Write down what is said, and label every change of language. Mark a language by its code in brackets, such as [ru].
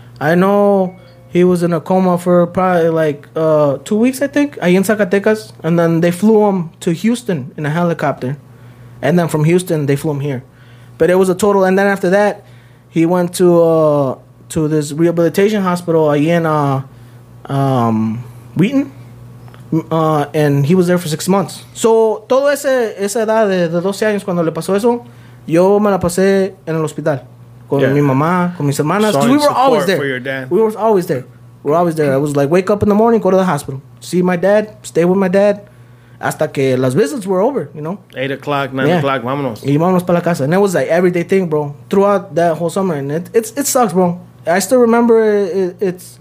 [en] I know he was in a coma for probably like 2 weeks, I think, [es] ahí en [en] Zacatecas. And then they flew him to Houston in a helicopter. And then from Houston, they flew him here. But it was a total. And then after that, he went to this rehabilitation hospital [es] ahí en [en] Wheaton. And he was there for 6 months. [es] So, todo esa edad de 12 años cuando le pasó eso, yo me la pasé en el hospital. Con mi mamá, con mis hermanas. [en] We were always there. We were always there. I was like, wake up in the morning, go to the hospital. See my dad, stay with my dad. [es] Hasta que las [en] visits were over, you know? 8 o'clock, 9 yeah. o'clock, [es] vámonos. Y vámonos para la casa. [en] And that was like everyday thing, bro. Throughout that whole summer. And it sucks, bro. I still remember it's